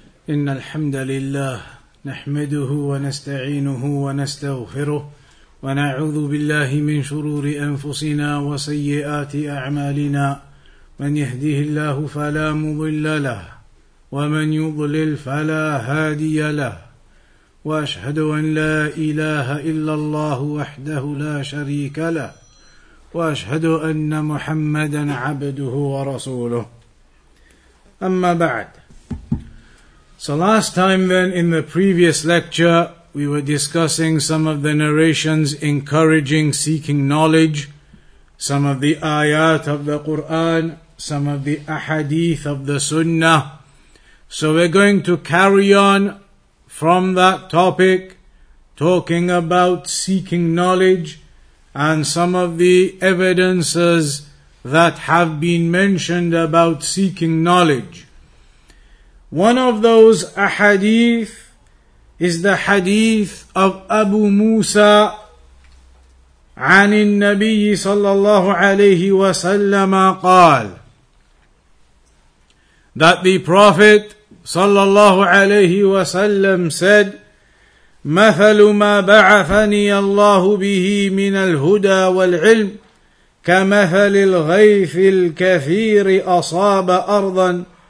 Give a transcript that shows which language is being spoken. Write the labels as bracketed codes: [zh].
[ar] إن الحمد لله نحمده ونستعينه ونستغفره ونعوذ بالله من شرور أنفسنا وسيئات أعمالنا من يهده الله فلا مضل له ومن يضلل فلا هادي له وأشهد أن لا إله إلا الله وحده لا شريك له وأشهد أن محمدا عبده ورسوله أما بعد. [en] So last time then, in the previous lecture, we were discussing some of the narrations encouraging seeking knowledge, some of the ayat of the Qur'an, some of the ahadith of the sunnah. So we're going to carry on from that topic, talking about seeking knowledge and some of the evidences that have been mentioned about seeking knowledge. One of those ahadith is the hadith of Abu Musa [ar] عن النبي صلى الله عليه وسلم قال, [en] that the Prophet [ar] صلى الله عليه وسلم [en] said, [ar] مثل ما بعثني الله به من الهدى والعلم كمثل الغيث الكثير أصاب أرضا